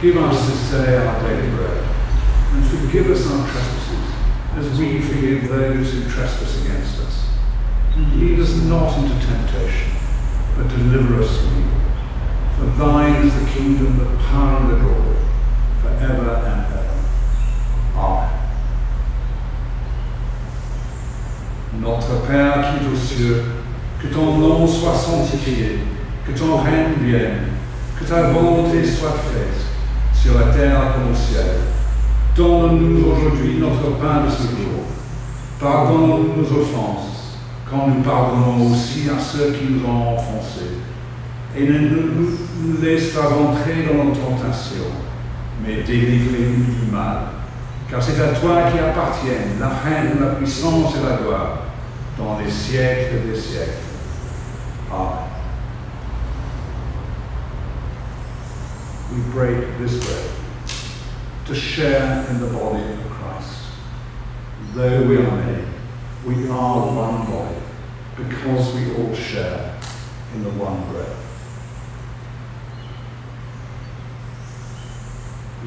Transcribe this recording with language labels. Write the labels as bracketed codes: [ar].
[en] Give us this day our daily bread, and forgive us our trespasses, as we forgive those who trespass against us. And lead us not into temptation, but deliver us from evil. For thine is the kingdom, the power, and the glory, ever and ever. Amen. [fr] Notre Père qui est aux cieux, que ton nom soit sanctifié, que ton règne vienne, que ta volonté soit faite, sur la terre comme au ciel. Donne-nous aujourd'hui notre pain de ce jour. Pardonne-nous nos offenses, comme nous pardonnons aussi à ceux qui nous ont offensés. Et ne nous laisse pas entrer dans nos tentations, mais délivrez-nous du mal, car c'est à toi qui appartiennent la reine, la puissance et la gloire, dans les siècles des siècles. Amen. [en] We break this bread to share in the body of Christ. Though we are many, we are one body, because we all share in the one breath.